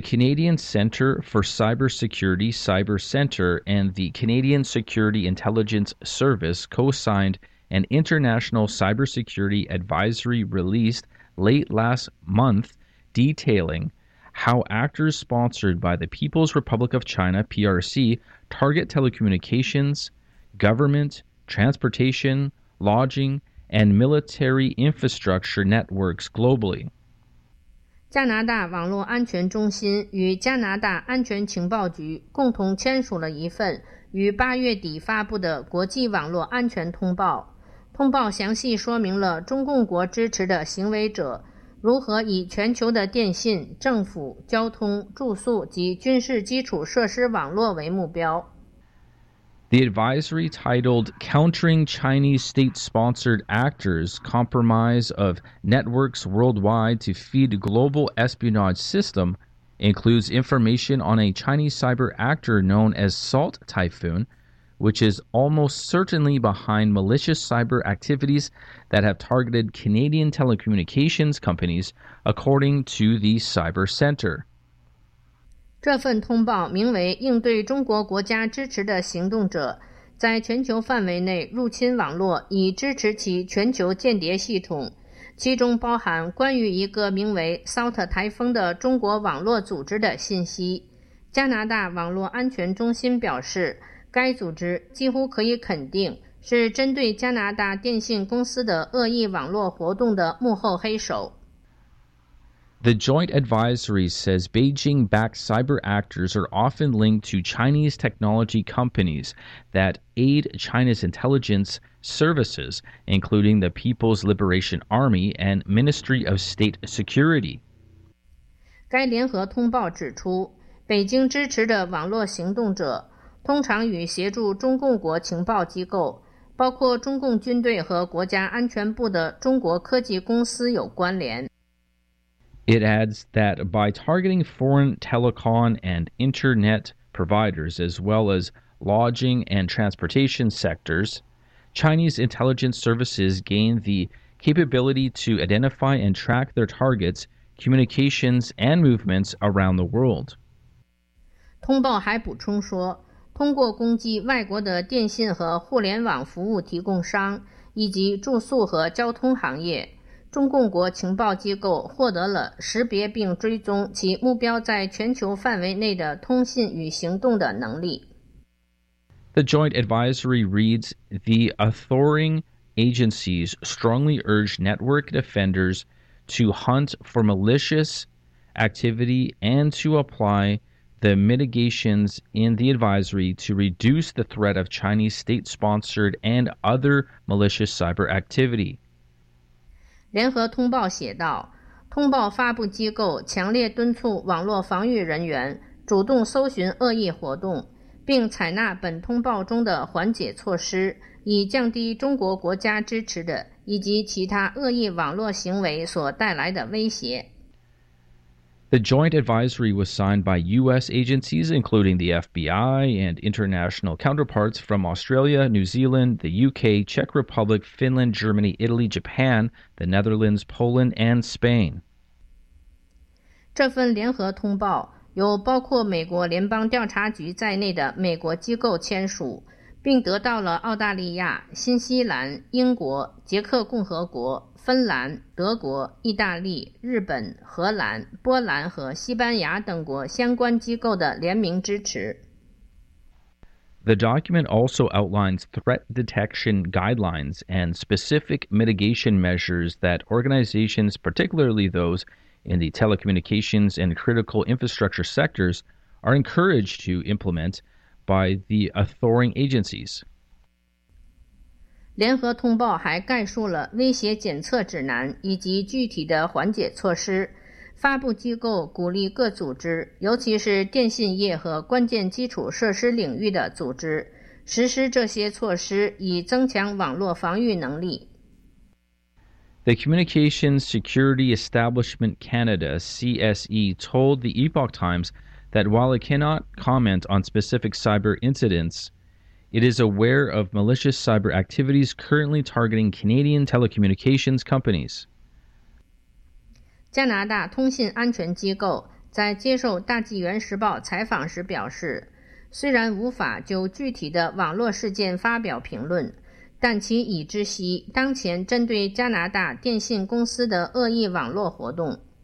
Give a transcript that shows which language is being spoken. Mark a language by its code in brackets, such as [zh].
[en] Canadian Centre for Cybersecurity, Cyber Centre, and the Canadian Security Intelligence Service co-signed an international cybersecurity advisory released late last month detailing how actors sponsored by the People's Republic of China, PRC, target telecommunications, government, transportation, lodging, and military infrastructure networks globally. [zh] 加拿大网络安全中心与加拿大安全情报局共同签署了一份于8月底发布的国际网络安全通报。通报详细说明了中共国支持的行为者如何以全球的电信、政府、交通、住宿及军事基础设施网络为目标。 [en] The advisory titled Countering Chinese State-Sponsored Actors' Compromise of Networks Worldwide to Feed Global Espionage System includes information on a Chinese cyber actor known as Salt Typhoon, which is almost certainly behind malicious cyber activities that have targeted Canadian telecommunications companies, according to the Cyber Center. [zh] 这份通报名为应对中国国家支持的行动者在全球范围内入侵网络以支持其全球间谍系统，其中包含关于一个名为 Salt 台风的中国网络组织的信息。加拿大网络安全中心表示，该组织几乎可以肯定是针对加拿大电信公司的恶意网络活动的幕后黑手。 [en] The joint advisory says Beijing-backed cyber actors are often linked to Chinese technology companies that aid China's intelligence services, including the People's Liberation Army and Ministry of State Security. [zh] 该联合通报指出，北京支持的网络行动者通常与协助中共国情报机构，包括中共军队和国家安全部的中国科技公司有关联。 [en] It adds that by targeting foreign telecom and internet providers as well as lodging and transportation sectors, Chinese intelligence services gain the capability to identify and track their targets, communications, and movements around the world. [zh] 通报还补充说，通过攻击外国的电信和互联网服务提供商，以及住宿和交通行业，中共国情报机构获得了识别并追踪其目标在全球范围内的通信与行动的能力。 [en] The joint advisory reads, the authoring agencies strongly urge network defenders to hunt for malicious activity and to apply the mitigations in the advisory to reduce the threat of Chinese state-sponsored and other malicious cyber activity. [zh] 联合通报写道，通报发布机构强烈敦促网络防御人员主动搜寻恶意活动，并采纳本通报中的缓解措施，以降低中国国家支持的以及其他恶意网络行为所带来的威胁。 [en] The joint advisory was signed by U.S. agencies, including the FBI and international counterparts from Australia, New Zealand, the U.K., Czech Republic, Finland, Germany, Italy, Japan, the Netherlands, Poland, and Spain. [zh] 这份联合通报由包括美国联邦调查局在内的美国机构签署，并得到了澳大利亚、新西兰、英国、捷克共和国、芬兰、德国、意大利、日本、荷兰、波兰和西班牙等国相关机构的联名支持。 [en] The document also outlines threat detection guidelines and specific mitigation measures that organizations, particularly those in the telecommunications and critical infrastructure sectors, are encouraged to implement by the authoring agencies. [zh] 联合通报还概述了威胁检测指南以及具体的缓解措施。发布机构鼓励各组织，尤其是电信业和关键基础设施领域的组织，实施这些措施以增强网络防御能力。 [en] The Communications Security Establishment Canada, CSE, told the Epoch Times that while it cannot comment on specific cyber incidents,It is aware of malicious cyber activities currently targeting Canadian telecommunications companies. [zh] 加拿大通信安全机构在接受大纪元时报采访时表示，虽然无法就具体的网络事件发表评论，但其已知悉当前针对加拿大电信公司的恶意网络活动。